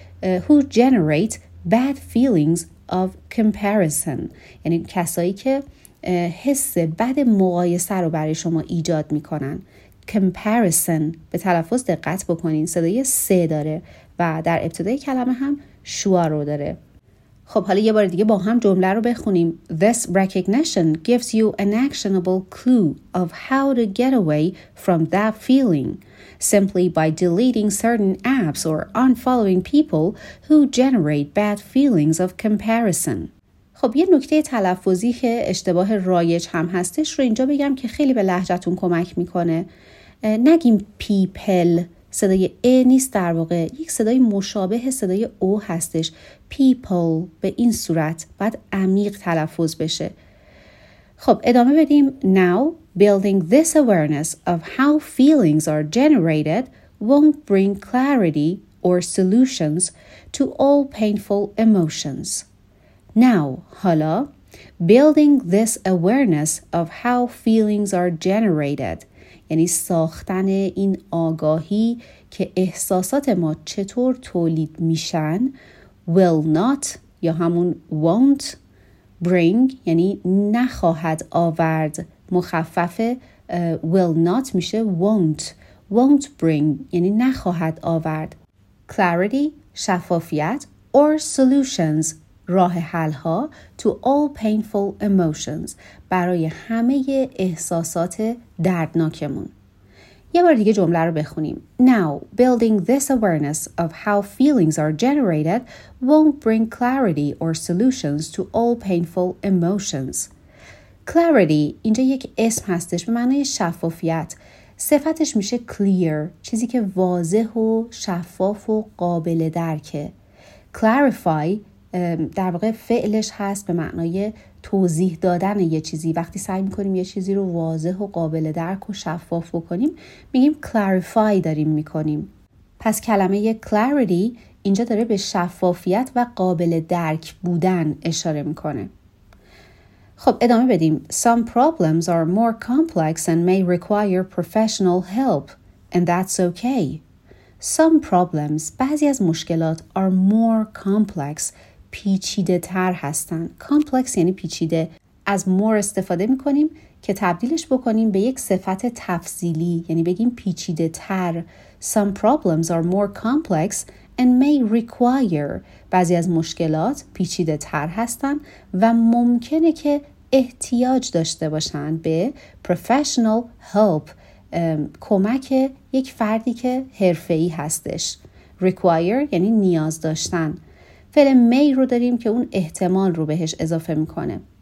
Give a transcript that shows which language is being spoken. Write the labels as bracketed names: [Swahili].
[English] Who generate bad feelings of comparison [Persian] یعنی کسایی که حس بد مقایسه رو برای شما ایجاد میکنن. comparison به تلفظ دقت بکنین، صدای سه داره و در ابتدای کلمه هم شوار رو داره. خب حالا یه بار دیگه با هم جمله رو بخونیم. [English] This recognition gives you an actionable clue of how to get away from that feeling. Simply by deleting certain apps or unfollowing people who generate bad feelings of comparison. [Persian] خب یه نکته تلفظی که اشتباه رایج هم هستش رو اینجا بگم که خیلی به لهجتون کمک میکنه. نگیم people، صدای ای نیست، در واقع یک صدای مشابه صدای او هستش. people به این صورت باید عمیق تلفظ بشه. خب ادامه بدیم. [English] Now building this awareness of how feelings are generated won't bring clarity or solutions to all painful emotions. Now [Persian] حالا [English] building this awareness of how feelings are generated [Persian] یعنی ساختن این آگاهی که احساسات ما چطور تولید میشن، [English] will not [Persian] یا همون [English] won't bring [Persian] یعنی نخواهد آورد، مخفف will not میشه won't. [English] won't bring [Persian] یعنی نخواهد آورد clarity شفافیت [English] or solutions [Persian] راه حل ها [English] to all painful emotions [Persian] برای همه احساسات دردناکمون. یه بار دیگه جمله رو بخونیم. [English] Now building this awareness of how feelings are generated won't bring clarity or solutions to all painful emotions. [Persian] Clarity اینجا یک اسم هستش به معنی شفافیت. صفتش میشه clear، چیزی که واضح و شفاف و قابل درکه. Clarify در واقع فعلش هست به معنای توضیح دادن یه چیزی. وقتی سعی میکنیم یه چیزی رو واضح و قابل درک و شفاف بکنیم میگیم clarify داریم میکنیم. پس کلمه clarity اینجا داره به شفافیت و قابل درک بودن اشاره میکنه. خب ادامه بدیم. [English] Some problems are more complex and may require professional help and that's okay. Some problems [Persian] بعضی از مشکلات [English] are more complex [Persian] پیچیده تر هستن. کامپلکس یعنی پیچیده. از مور استفاده میکنیم که تبدیلش بکنیم به یک صفت تفضیلی، یعنی بگیم پیچیده تر. [English] Some problems are more complex and may require. [Persian] بعضی از مشکلات پیچیده تر هستن و ممکنه که احتیاج داشته باشن به [English] professional help، [Persian] کمک یک فردی که حرفه‌ای هستش. require یعنی نیاز داشتن. فعل may رو داریم که اون احتمال رو بهش اضافه میکنه.